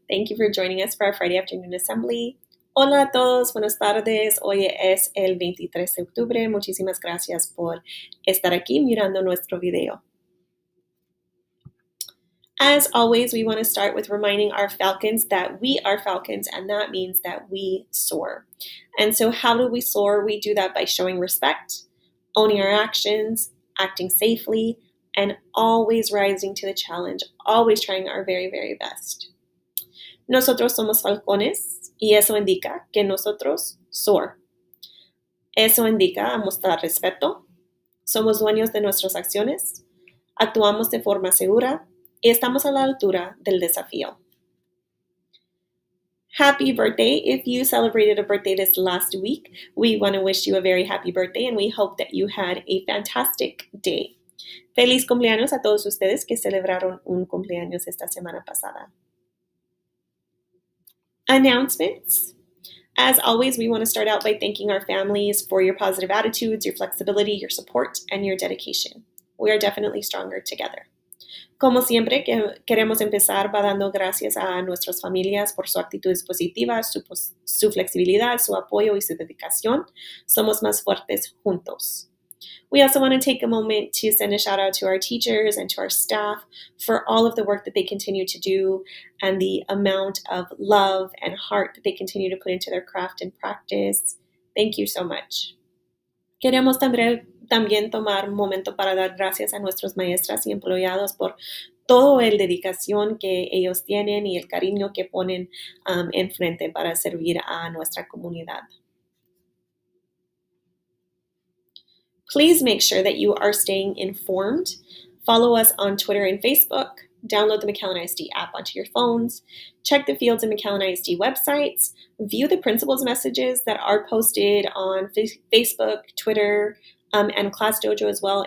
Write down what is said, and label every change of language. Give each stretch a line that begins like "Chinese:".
English: Thank you for joining us for our Friday afternoon assembly.
Spanish: Hola a todos. Buenas tardes. Hoy es el 23 de octubre. Muchísimas gracias por estar aquí mirando nuestro video.
English: As always, we want to start with reminding our Falcons that we are Falcons, and that means that we soar. And so how do we soar? We do that by showing respect, owning our actions, acting safely, and always rising to the challenge, always trying our very, very best.
Spanish: Nosotros somos falcones, y eso indica que nosotros soar. Eso indica mostrar respeto. Somos dueños de nuestras acciones, actuamos de forma segura, y estamos a la altura del desafío.
English: Happy birthday. If you celebrated a birthday this last week, we want to wish you a very happy birthday and we hope that you had a fantastic day.
Spanish: Feliz cumpleaños a todos ustedes que celebraron un cumpleaños esta semana pasada.
English: Announcements. As always, we want to start out by thanking our families for your positive attitudes, your flexibility, your support, and your dedication. We are definitely stronger together.
Spanish: Como siempre, queremos empezar by dando gracias a nuestras familias por su actitud positiva, su flexibilidad, su apoyo y su dedicación. Somos más fuertes juntos.
English: We also want to take a moment to send a shout out to our teachers and to our staff for all of the work that they continue to do and the amount of love and heart that they continue to put into their craft and practice. Thank you so much.
Spanish: Queremos también tomar un momento para dar gracias a nuestros maestras y empleados por todo el dedicación que ellos tienen y el cariño que ponen enfrente para servir a nuestra comunidad.
English: Please make sure that you are staying informed. Follow us on Twitter and Facebook. Download the McAllen ISD app onto your phones. Check the fields and McAllen ISD websites. View the principal's messages that are posted on Facebook, Twitter, and ClassDojo as well.